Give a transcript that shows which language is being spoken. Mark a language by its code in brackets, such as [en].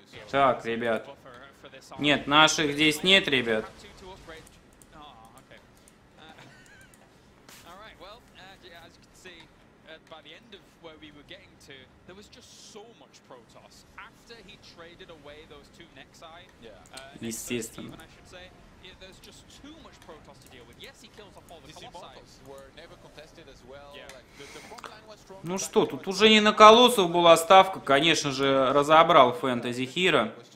[ru] Так, ребят. Нет, наших здесь нет, ребят. [en] Oh, okay. All right. Well, yeah, as you can see, by the end of where we were getting to, there was just so much Protoss. After he traded away those two Nek'Sai, there's just too much Protoss to deal with. Yes, he kills off all the Colossi. [ru] Ну что, тут уже не на колоссов была ставка, конечно же, разобрал Фэнтези Хира.